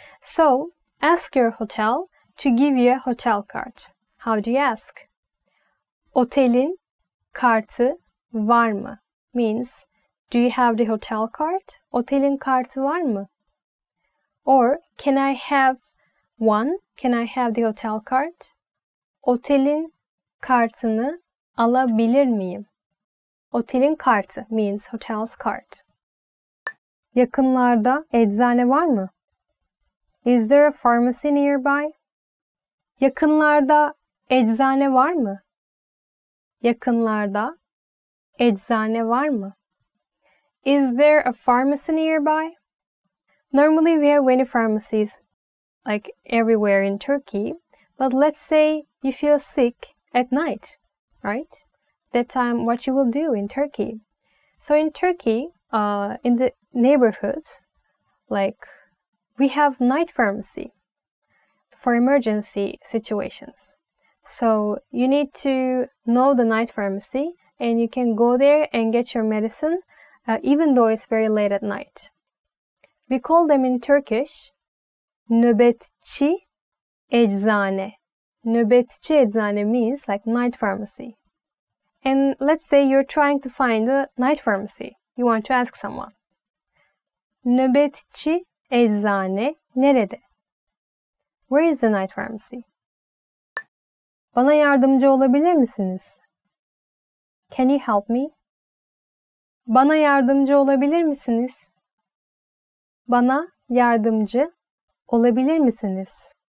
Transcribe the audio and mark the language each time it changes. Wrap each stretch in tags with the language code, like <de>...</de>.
<en>So ask your hotel to give you a hotel card. How do you ask?</en> <tr>Otelin kartı var mı?</tr> <en>Means, do you have the hotel card?</en> <tr>Otelin kartı var mı?</tr> <en>Or, can I have one? Can I have the hotel card?</en> <tr>Otelin kartını alabilir miyim?</tr> <en>Otelin kartı means hotel's card.</en> <tr>Yakınlarda eczane var mı?</tr> <en>Is there a pharmacy nearby?</en> <tr>Yakınlarda eczane var mı? Yakınlarda eczane var mı?</tr> <en>Is there a pharmacy nearby? Normally we have many pharmacies like everywhere in Turkey, but let's say you feel sick at night, right? That time what you will do in Turkey. So in Turkey, in the neighborhoods, like we have night pharmacy for emergency situations. So you need to know the night pharmacy and you can go there and get your medicine even though it's very late at night. We call them in Turkish nöbetçi eczane. Nöbetçi eczane means like night pharmacy. And let's say you're trying to find a night pharmacy. You want to ask someone.</en> <tr>Nöbetçi eczane nerede?</tr> <en>Where is the night pharmacy?</en> <tr>Bana yardımcı olabilir misiniz?</tr> <en>Can you help me?</en> <tr>Bana yardımcı olabilir misiniz? Bana yardımcı olabilir misiniz?</tr>